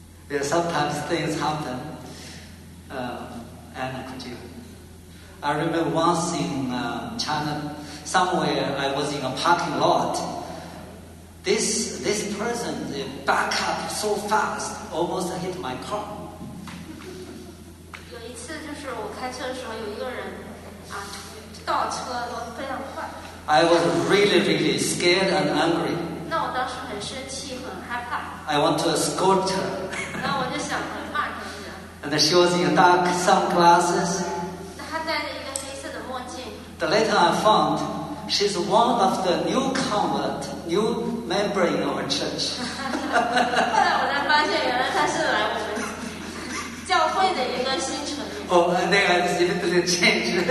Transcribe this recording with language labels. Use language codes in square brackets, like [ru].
[en] Yeah, sometimes things happen. Anna, could you? I remember once in China, somewhere I was in a parking lot. This person, they back up so fast, almost hit my car. [zh] 有一次就是我开车的时候，有一个人啊倒车，然后非常快。 [en] I was really, really scared and angry. [zh] 那我当时很生气，很害怕。 [en] I want to escort her. [zh] 然后我就想骂这个人。 [en] And she was in dark sunglasses. [zh] 她戴着一个黑色的墨镜。 [en] The later I found. She's one of the new convert, new member in our church. [zh] 后来我才发现，原来她是来我们教会的一个新成员。 [en] Oh, and then I immediately changed, you know. I said, okay, okay.